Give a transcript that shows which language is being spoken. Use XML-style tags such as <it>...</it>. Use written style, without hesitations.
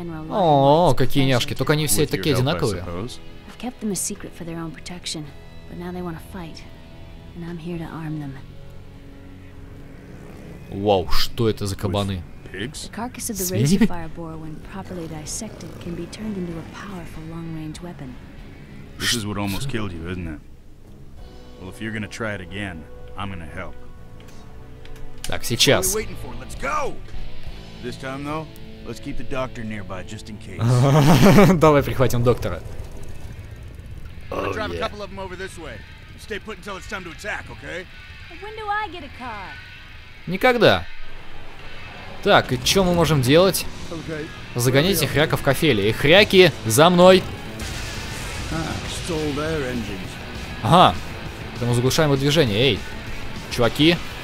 <ru>О, какие няшки, только они все такие одинаковые.</ru> <en>Kept them a secret for their own protection, but now they want to fight, and I'm here to arm them.</en> <ru>Wow, что это за кабаны?</ru> <en>Pigs? The carcass of the razor fire boar, when properly dissected, can be turned into a powerful long-range weapon. This is what almost killed you, isn't it? Well, if you're gonna try it again, I'm gonna help.</en> <ru>Так, сейчас.</ru> <en>What are we waiting for? Let's go! This time, though, let's keep the doctor nearby just in case.</en> <ru>Давай прихватим доктора.</ru> <en>Drive a couple of them over this way. Stay put until it's time to attack, okay? When do I get a car?</en> <ru>Никогда. Так, и что мы можем делать? Загоните хряков в кафели. И хряки за мной. Ага. Это мы заглушаем его движение. Эй, чуваки.</ru>